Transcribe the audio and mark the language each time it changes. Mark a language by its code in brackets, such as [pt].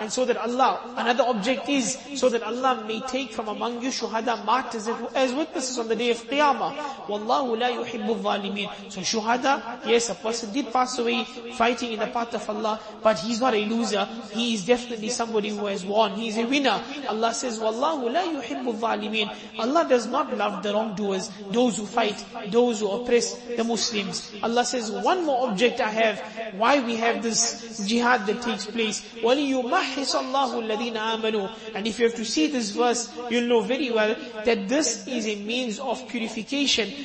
[en] And so that Allah, another object is, so that Allah may take from among you shuhada, martyrs, as witnesses on the day of Qiyamah. [ar] وَاللَّهُ لَا يُحِبُّ الظَّالِمِينَ. [en] So shuhada, yes, a person did pass away fighting in the path of Allah, but he's not a loser. He is definitely somebody who has won. He is a winner. Allah says, [ar] وَاللَّهُ لَا يُحِبُّ الظَّالِمِينَ. [en] Allah does not love the wrongdoers, those who fight, those who oppress the Muslims. Allah says, one more object I have, why we have this jihad that takes place. [ar] وَلِيُمَحِّصَ اللَّهُ الَّذِينَ آمَنُوا. [en] And if you have to see this verse, you'll know very well that this is a means of purification.